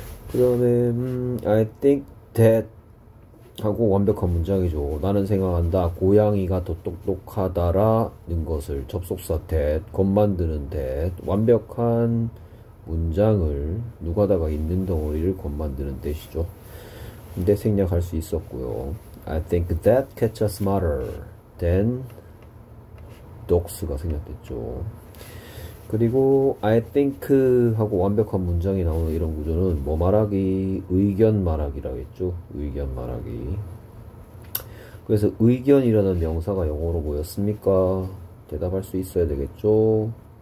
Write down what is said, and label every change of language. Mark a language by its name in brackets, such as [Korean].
[Korean] 그 다음에 [English] I think that [Korean] 하고 완벽한 문장이죠. 나는 생각한다 고양이가 더 똑똑하다라는 것을 접속사 that 겉 만드는 that 완벽한 문장을 누가다가 있는 덩어리를 겉 만드는 뜻이죠. 근데 생략할 수 있었고요. [English] I think that cats are smarter than dogs가 [Korean] 생략됐죠. 그리고 [English] I think [Korean] 하고 완벽한 문장이 나오는 이런 구조는 뭐 말하기 의견 말하기라고 했죠. 의견 말하기. 그래서 의견이라는 명사가 영어로 뭐였습니까? 대답할 수 있어야 되겠죠.